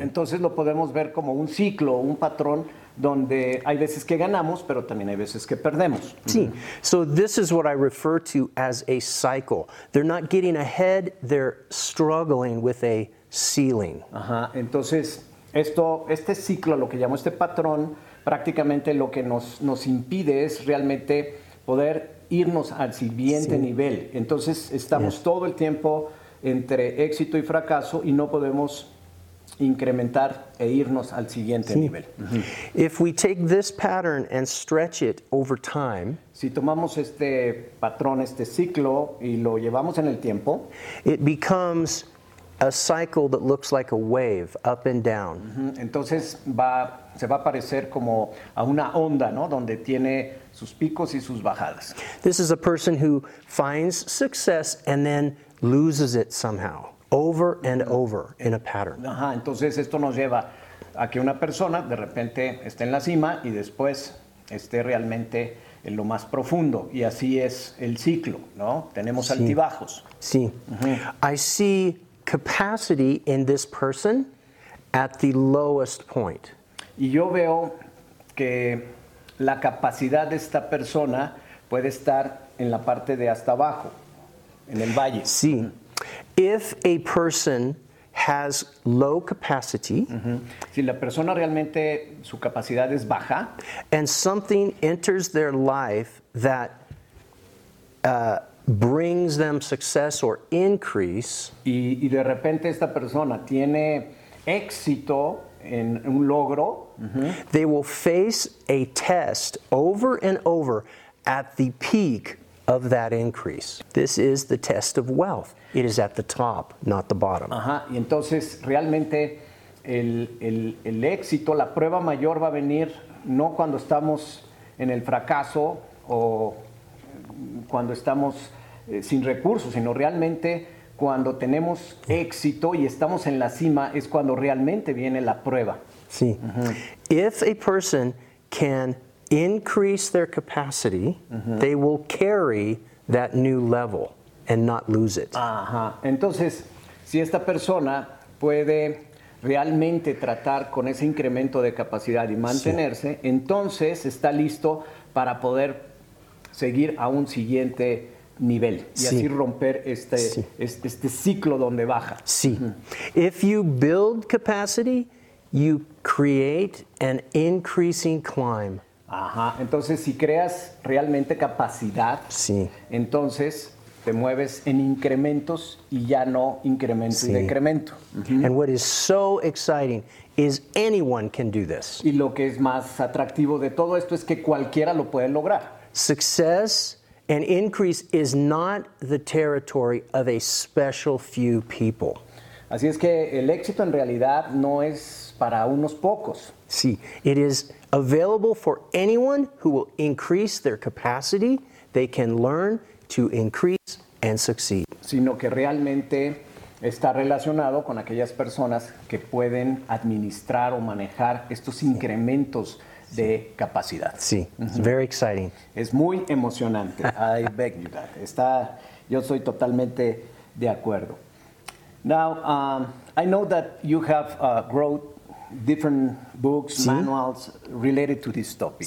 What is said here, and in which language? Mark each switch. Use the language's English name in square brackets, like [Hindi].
[Spanish] Entonces lo podemos ver como un ciclo, un patrón, donde hay veces que ganamos, pero también hay veces que perdemos. Sí. Mm-hmm. [English] So this is what I refer to as a cycle. They're not getting ahead, they're struggling with a ceiling. [Spanish] Ajá. Entonces, este ciclo, lo que llamo este patrón, prácticamente lo que nos impide es realmente poder irnos al siguiente sí. nivel. Entonces, estamos yes. todo el tiempo entre éxito y fracaso y no podemos incrementar e irnos al siguiente sí. nivel. [English] If we take this pattern and stretch it over time, [Spanish] si tomamos este patrón, este ciclo y lo llevamos en el tiempo, [English] it becomes a cycle that looks like a wave up and down. [Spanish] Entonces se va a parecer como a una onda, ¿no? Donde tiene sus picos y sus bajadas. [English] This is a person who finds success and then loses it somehow. Over and over in a pattern. [Spanish] Ajá, entonces esto nos lleva a que una persona de repente esté en la cima y después esté realmente en lo más profundo. Y así es el ciclo, ¿no? Tenemos sí. altibajos. Sí. Uh-huh. [English] I see capacity in this person at the lowest point. [Spanish] Y yo veo que la capacidad de esta persona puede estar en la parte de hasta abajo, en el valle. Sí. Uh-huh. [English] If a person has low capacity, uh-huh. [Spanish] si la persona realmente su capacidad es baja, [English] and something enters their life that brings them success or increase, [Spanish] y de repente esta persona tiene éxito en un logro, uh-huh. [English] they will face a test over and over at the peak of that increase. This is the test of wealth. It is at the top, not the bottom. [Spanish] Ajá. Y entonces realmente el éxito, la prueba mayor va a venir no cuando estamos en el fracaso o cuando estamos sin recursos, sino realmente cuando tenemos éxito y estamos en la cima es cuando realmente viene la prueba. Sí. Uh-huh. [English] If a person can increase their capacity, uh-huh. they will carry that new level and not lose it. [Spanish] Ajá. Entonces, si esta persona puede realmente tratar con ese incremento de capacidad y mantenerse, sí. entonces está listo para poder seguir a un siguiente nivel y sí. así romper este ciclo donde baja. [English] Sí. Uh-huh. If you build capacity, you create an increasing climb. [Spanish] Ajá. Entonces, si creas realmente capacidad, sí. entonces te mueves en incrementos y ya no incremento sí. y decremento. Uh-huh. [English] And what is so exciting is anyone can do this. [Spanish] Y lo que es más atractivo de todo esto es que cualquiera lo puede lograr. [English] Success and increase is not the territory of a special few people. [Spanish] Así es que el éxito en realidad no es para unos pocos. [English] Sí, it is available for anyone who will increase their capacity. They can learn to increase and succeed. [Spanish] Sino que realmente está relacionado con aquellas personas que pueden administrar o manejar estos incrementos sí. de capacidad. [English] Sí, uh-huh. very exciting. [Spanish] Es muy emocionante. [English] I beg you that. [Spanish] Yo soy totalmente de acuerdo. [English] Now, I know that you have growth different books, [Spanish] sí. [English] manuals related to this topic.